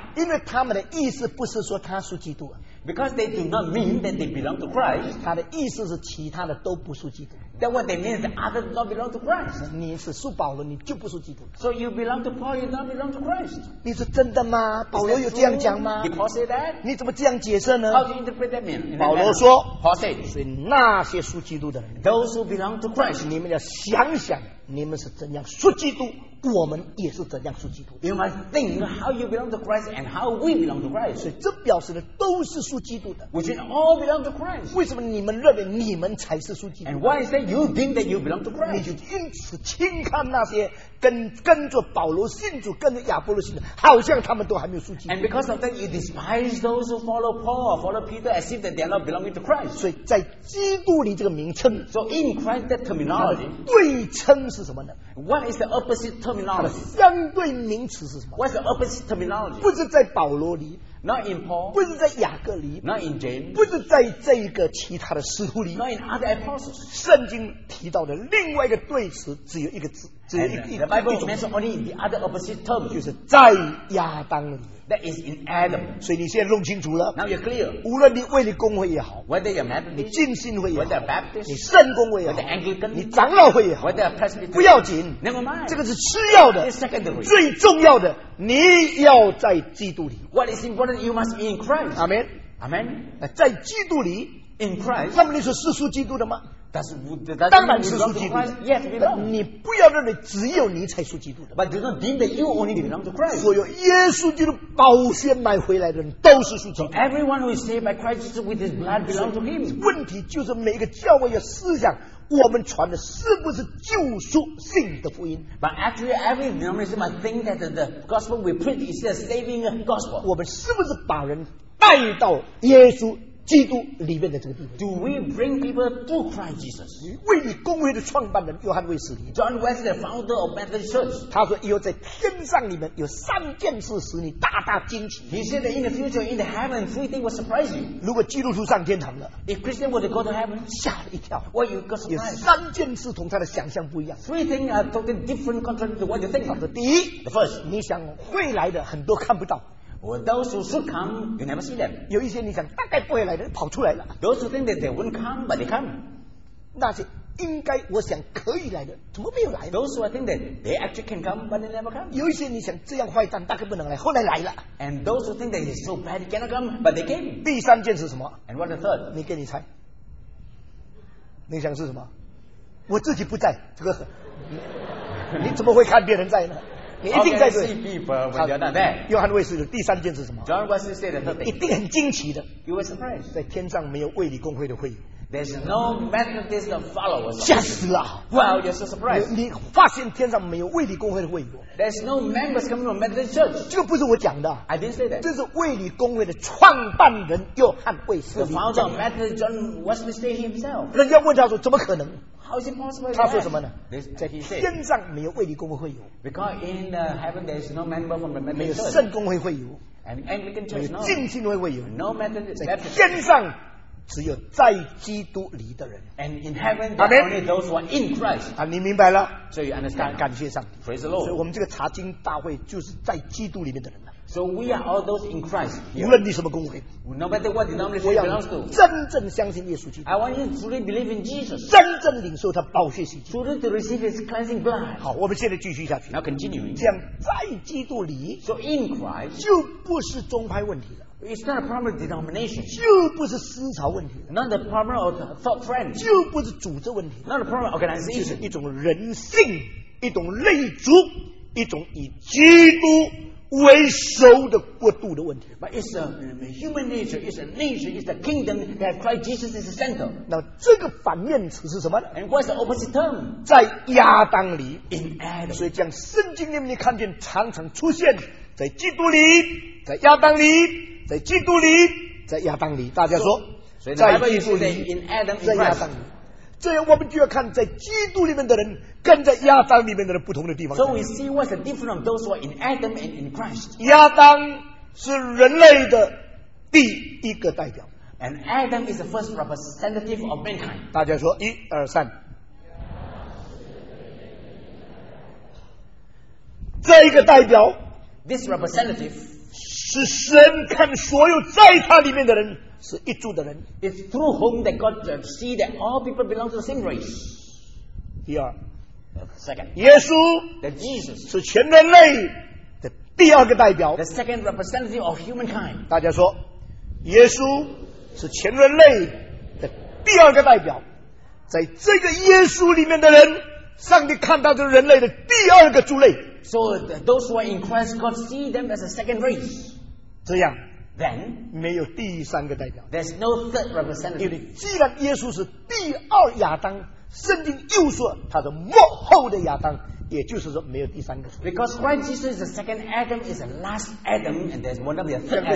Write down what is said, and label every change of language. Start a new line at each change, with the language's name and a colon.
Chinese: 因为他们的意思不是说他是基督。
English: Because they do not mean that they belong to Christ.
Chinese: 他的意思是其他的都不属基督。
English: That what they mean is that others don't belong to Christ.
Chinese: 你是属保罗，你就不属基督。
English: So you belong to Paul, you don't belong to Christ.
Chinese: 你是真的吗？保罗有这样讲吗
English: ？Did Paul say that?
Chinese: 你怎么这样解释呢
English: ？How do you interpret that mean?
Chinese: 保罗说
English: ，Paul said.
Chinese: 所以那些属基督的人
English: ，those who belong to Christ，
Chinese: 你们要想想，你们是怎样属基督。我们也是怎样属基督
English: ？You must think how you belong to Christ and how we belong to Christ。
Chinese: 所以这表示的都是属基督的。
English: Which means all belong to Christ。
Chinese: 为什么你们认为你们才是属基督
English: ？And why is that you think that you belong to Christ.
Chinese: 你就因此轻看那些跟着保罗信主、跟着亚波罗信主，好像他们都还没有受基督。
English: And because of that, you despise those who follow Paul, or follow Peter, as if that they are not belonging to Christ.
Chinese: 所以在基督里这个名称
English: ，so in Christ that terminology，
Chinese: 对称是什么呢
English: ？What is the opposite terminology？
Chinese: 相对名词是什么
English: ？What's the opposite terminology？
Chinese: 不是在保罗里。
English: Not in Paul,
Chinese: 不是在雅各里
English: not in James,
Chinese: 不是在这个其他的使徒里
English: not in other apostles,
Chinese: 圣经提到的另外一个对词只有一个字只有一个
English: the Bible mentions only the other opposite term
Chinese: 就是在亚当里
English: that is in Adam
Chinese: 所以你现在弄清楚了
English: now you're clear
Chinese: 无论你为你公会也好
English: whether you're Methodist
Chinese: 你浸信会也好
English: whether you're Baptist
Chinese: 你圣公会也好
English: whether you're Anglican
Chinese: 你长老会也好
English: whether you're Presbyterian
Chinese: 不要紧
English: never mind
Chinese: 这个是次要的
English: it's secondary
Chinese: 最重要的你要在基督里
English: What is important you must be in Christ Amen Amen
Chinese: 在基督里
English: In Christ
Chinese: 那么你是世俗基督的吗
English: that
Chinese: 当然世俗基督
English: Yes we know
Chinese: 你不要认为只有你才属基督的
English: But do not deem that you only belong to Christ
Chinese: 所有耶稣基督宝血买回来的人都是属基督
English: Everyone who is saved by Christ with his blood belongs to him
Chinese: 问题就是每个教会的思想我们传的是不是救赎性的福音
English: But actually every denomination might think that the gospel we preach is a saving gospel
Chinese: 我们是不是把人带到耶稣基督里面的这个地方
English: Do we bring people to Christ Jesus
Chinese: 为你公会的创办人约翰卫斯理
English: John Wesley the founder of Methodist Church
Chinese: 他说以后在天上里面有三件事使你大大惊奇
English: He said that in the future in the heaven three things will surprise you
Chinese: 如果基督徒上天堂了
English: If Christian were to go to heaven
Chinese: 吓了一跳
English: What you got surprised
Chinese: 有三件事同他的想象不一样
English: Three things are totally different contrary to what you think
Chinese: 他说第一
English: The first
Chinese: 你想会来的很多看不到
English: Well, those who should come, you never see them.
Chinese: 有一些你想大概不会来的，跑出来了。
English: Those who think that they won't come, but they come.
Chinese: 那些应该我想可以来的，怎么没有来的
English: ？Those who I think that they actually can come, but they never come.
Chinese: 有一些你想这样坏蛋大概不能来，后来来了。
English: And those who think that he's so bad, he cannot come, but they came.
Chinese: 第三件是什么
English: ？And what the third?
Chinese: 你给你猜，你想是什么？我自己不在，这个你怎么会看别人在呢？你一定在这
English: 里。Okay,
Chinese: 约翰卫斯理第三件是什么
English: ？John Wesley said the third thing.
Chinese: 一定很惊奇的。
English: You were surprised.
Chinese: 在天上没有卫理公会的会员。
English: There's no Methodist followers.
Chinese: 吓死了。
English: Well, you're so surprised.
Chinese: 你发现天上没有卫理公会的会员。
English: There's no members coming from Methodist Church.
Chinese: 这个不是我讲的。
English: I didn't say that.
Chinese: 这是卫理公会的创办人约翰卫斯理。
English: The founder of Methodist John Wesley said himself.
Chinese: 人家问他说：“怎么可能？”
English: How is it possible?
Chinese: 他说什么呢？在天上没有卫理公会会友。
English: Because in heaven there is no member from the Methodist.
Chinese: 没有圣公会会友。
English: And Anglican Church no.
Chinese: 没有浸信会会友。
English: No Methodist.
Chinese: 在天上只有在基督里的人。
English: And in heaven there are only those who are in Christ.
Chinese: 啊，你明白了？
English: So you understand?
Chinese: 感谢上帝。
English: Praise the Lord.
Chinese: 所以我们这个查经大会就是在基督里面的人。
English: So we are all those in Christ.
Chinese: 无论你什么公会
English: ，No matter what denomination you belong to，
Chinese: 真正相信耶稣基督。
English: I want you to truly believe in Jesus.
Chinese: 真正领受他宝血洗净。
English: Truly to receive His cleansing blood.
Chinese: 好，我们现在继续下去。
English: Now continuing.
Chinese: 这样在基督里
English: ，So in Christ，
Chinese: 就不是宗派问题了。
English: It's not a problem of denomination.
Chinese: 就不是思潮问题了。
English: Not the problem of thought friends.
Chinese: 就不是组织问题了。
English: Not the problem of organization.
Chinese: 就是一种人性，一种立足，一种以基督。为首的国度的问题
English: But it's a human nature It's a nation It's a kingdom That Christ Jesus is the center
Chinese: 那这个反面词是什么呢
English: And what's the opposite term
Chinese: 在亚当里
English: In Adam
Chinese: 所以讲圣经里面你看见常常出现在基督里在亚当里在基督里在亚当里大家说
English: so,
Chinese: 在基督里
English: in Adam, in
Chinese: 在亚当里这样我们就要看在基督里面的人跟在亚当里面的人不同的地方。
English: So we see what's the difference of those who are in Adam and in Christ.
Chinese: 亚当是人类的第一个代表。
English: And Adam is the first representative of mankind.
Chinese: 大家说一二三。这一个代表
English: This representative
Chinese: 是神看所有在他里面的人是一族的人。
English: It's through whom that God see that all people belong to the same race.
Chinese: 第二。
English: Second,
Chinese: 耶稣
English: that Jesus
Chinese: 是全人类的第二个代表
English: the second representative of humankind
Chinese: 大家说耶稣是全人类的第二个代表在这个耶稣里面的人上帝看到的人类的第二个族类
English: so those who are in Christ God see them as a second race
Chinese: 这样
English: then
Chinese: 没有第三个代表
English: there's no third representative
Chinese: 因为既然耶稣是第二亚当圣经又说他是末后的亚当，也就是说没有第三个。
English: Because when Jesus is the second Adam, is the last Adam, and there's one of the third Adam.